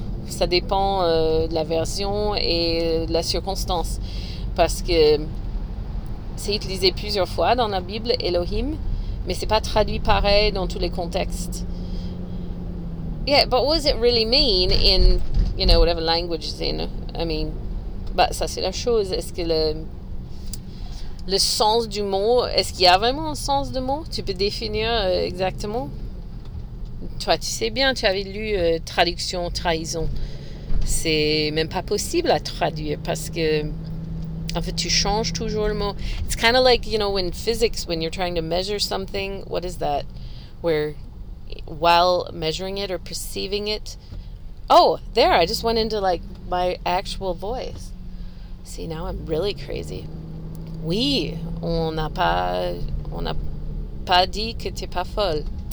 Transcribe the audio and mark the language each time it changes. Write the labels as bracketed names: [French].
[French] Ça dépend de la version et de la circonstance. Parce que c'est utilisé plusieurs fois dans la Bible, Elohim, mais c'est pas traduit pareil dans tous les contextes. [English] Yeah, but what does it really mean in, whatever language it's in? I mean, [French] bah, ça c'est la chose. Est-ce que le sens du mot, est-ce qu'il y a vraiment un sens de mot? Tu peux définir exactement? Toi, tu sais bien, tu avais lu traduction, trahison. C'est même pas possible à traduire parce que, en fait, tu changes toujours le mot. [English] It's kind of like, in physics, when you're trying to measure something, what is that? Where, while measuring it or perceiving it. Oh, there, I just went into like my actual voice. See, now I'm really crazy. [French] Oui, on n'a pas dit que t'es pas folle.